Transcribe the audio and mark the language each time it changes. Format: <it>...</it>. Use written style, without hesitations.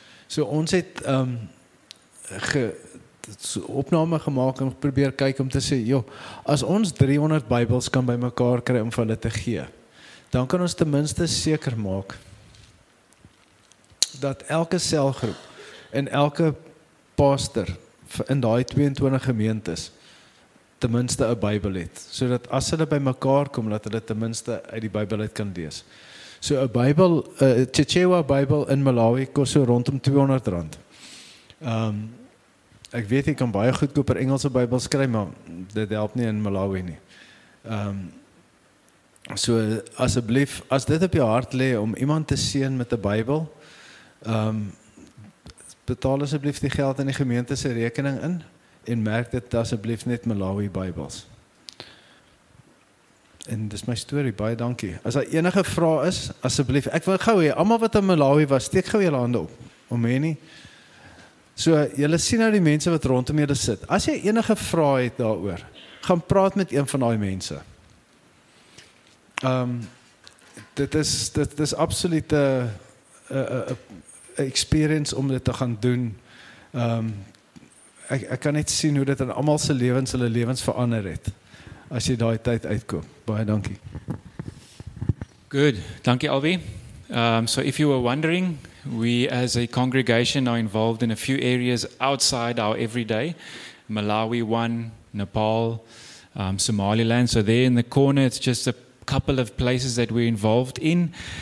<af>So, ons het opname gemaakt en probeer kyk om te sê, joh, as ons 300 Bybels kan by mekaar kry om vir hulle te gee, dan kan ons tenminste seker maak dat elke selgroep en elke pastor in die 22 gemeentes tenminste een Bybel het, so dat as hulle by mekaar kom, dat hulle tenminste uit die Bybel uit kan lees. So een Bybel, een Chichewa Bybel in Malawi kost so rondom R200. Ek weet, jy kan baie goedkoper Engelse Bybel skry, maar dit help nie in Malawi nie. So, asseblief, as dit op jou hart lê om iemand te seën met 'n Bybel, betaal asseblief die geld in die gemeente se rekening in, en merk dit asseblief net Malawi Bybels. En dis my story, baie dankie. As daar enige vraag is, asseblief, ek wil gou hê, almal wat in Malawi was, steek gou julle hande op, om mee nie. So, jylle sien nou die mense wat rondom jylle sit. As jy enige vraag het daarover, gaan praat met een van die mense. Dit is absoluut a experience om dit te gaan doen. Ek kan net sien hoe dit in allemaal sy levens, hulle levens verander het, as jy die tyd uitkoop. Baie dankie. Good, dankie Alwie.</af> <en>So if you were wondering, we as a congregation are involved in a few areas outside our everyday. Malawi one, Nepal, Somaliland. So there in the corner, it's just a couple of places that we're involved in.</en>